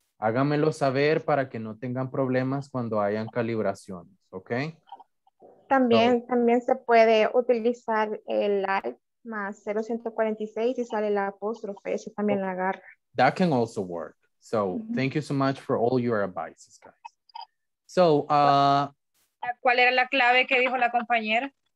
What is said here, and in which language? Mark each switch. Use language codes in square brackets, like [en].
[es] Háganmelo saber para que no tengan problemas cuando hayan calibraciones, ¿ok? También, so, también se puede utilizar el alt más 0146 y sale la apóstrofe, eso también la agarra. [en] That can also work. So, thank you so much for all your advices, guys. So, [es] ¿cuál era la clave que dijo la compañera?